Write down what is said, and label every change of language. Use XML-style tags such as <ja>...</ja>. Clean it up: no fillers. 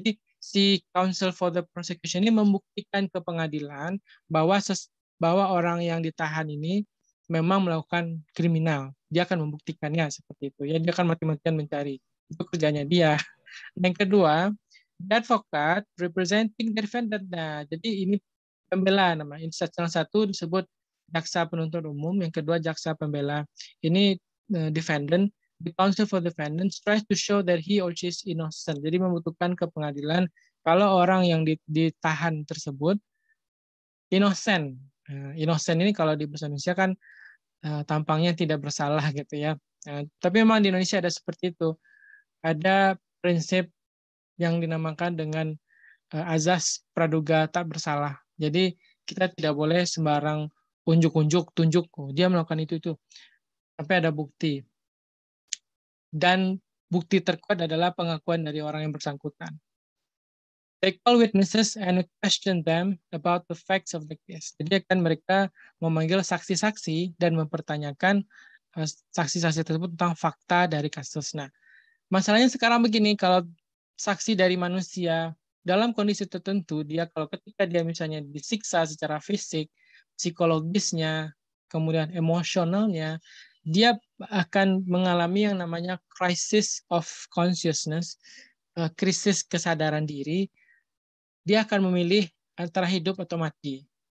<id>Jadi si counsel for the prosecution ini membuktikan ke pengadilan bahwa bahwa orang yang ditahan ini memang melakukan kriminal. Dia akan membuktikannya seperti itu. Ya, dia akan mati-matian mencari. Itu kerjanya dia. Yang kedua, advokat</id> <en>representing the defendant.</en> <id>Nah, jadi ini pembela nama. Yang satu disebut jaksa penuntut umum, yang kedua jaksa pembela.</id> <en>Ini defendant, the counsel for defendant tries to show that he or she is innocent.</en> <id>Jadi membuktikan ke pengadilan kalau orang yang ditahan tersebut innocent. Innocent ini kalau di bahasa Indonesia kan tampangnya tidak bersalah gitu ya. Tapi memang di Indonesia ada seperti itu. Ada prinsip yang dinamakan dengan azas praduga tak bersalah. Jadi kita tidak boleh sembarang unjuk-unjuk, tunjuk, dia melakukan itu. Sampai ada bukti. Dan bukti terkuat adalah pengakuan dari orang yang bersangkutan.</id> <en>They call witnesses and question them about the facts of the case.</en> <id>Jadi kan mereka memanggil saksi-saksi dan mempertanyakan saksi-saksi tersebut tentang fakta dari kasus. Nah, masalahnya sekarang begini, kalau saksi dari manusia dalam kondisi tertentu, dia kalau ketika dia misalnya disiksa secara fisik, psikologisnya, kemudian emosionalnya, dia akan mengalami yang namanya</id> <en>crisis of consciousness,</en> <id>krisis kesadaran diri, dia akan memilih antara hidup atau mati.</id>